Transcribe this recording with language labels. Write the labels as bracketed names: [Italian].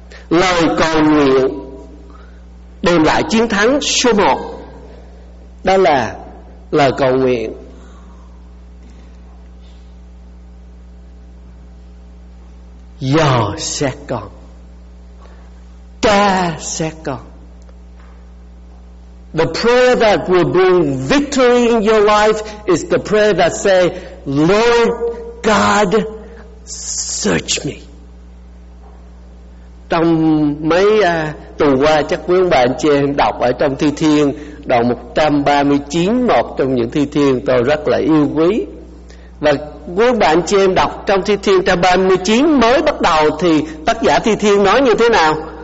[Vietnamese] Lời cầu nguyện đem lại chiến thắng số 1, đó là lời cầu nguyện dò xét con, tra xét con. [English] The prayer that will bring victory in your life is the prayer that say, Lord God, search me. [Vietnamese] Trong mấy tuần qua, chắc quý ông bà anh chị em đọc ở trong Thi Thiên đoạn 139, một trong những Thi Thiên tôi rất là yêu quý. Và quý bạn chị em đọc trong Thi Thiên 39 mới bắt đầu thì tác giả Thi Thiên nói như thế nào?